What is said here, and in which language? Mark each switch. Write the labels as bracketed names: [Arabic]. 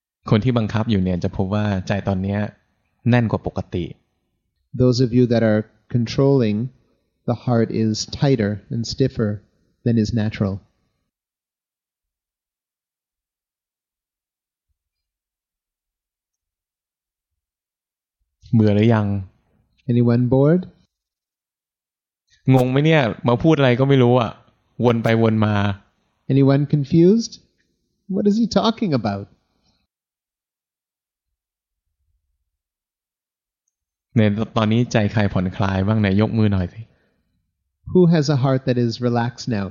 [Thai] คนที่บังคับอยู่เนี่ยจะพบว่าใจตอนนี้แน่นกว่าปกติ [English] Those of you that are controlling, the heart is tighter and stiffer than is natural. [Thai] เบื่อหรือยัง [English] Anyone bored? [Thai] งงไหมเนี่ยมาพูดอะไรก็ไม่รู้อ่ะวนไปวนมา [English] Anyone confused? What is he talking about? [Thai] ในตอนนี้ใจใครผ่อนคลายบ้างไหนยกมือหน่อยสิ [English] Who has a heart that is relaxed now?